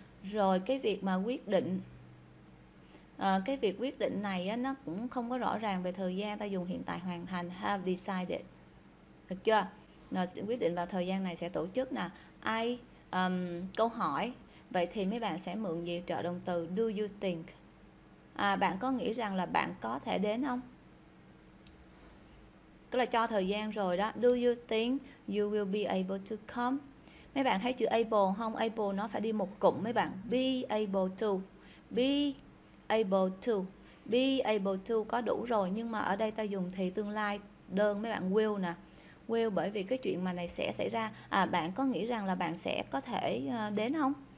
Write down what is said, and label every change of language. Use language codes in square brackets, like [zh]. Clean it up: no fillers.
[vi] Rồi cái việc mà quyết định cái việc quyết định này á, nó cũng không có rõ ràng về thời gian, ta dùng hiện tại hoàn thành, [en] have decided. [vi] Được chưa? Nó sẽ quyết định vào thời gian này sẽ tổ chức nè. I câu hỏi. Vậy thì mấy bạn sẽ mượn gì trợ động từ [en] do you think? [vi] À, bạn có nghĩ rằng là bạn có thể đến không? Tức là cho thời gian rồi đó. [en] Do you think you will be able to come? [vi] Mấy bạn thấy chữ able không? Able nó phải đi một cụm mấy bạn. [en] Be able to. Be able to. Be able to [vi] có đủ rồi. Nhưng mà ở đây ta dùng thì tương lai đơn mấy bạn will nè. Will bởi vì cái chuyện mà này sẽ xảy ra. À, bạn có nghĩ rằng là bạn sẽ có thể đến không?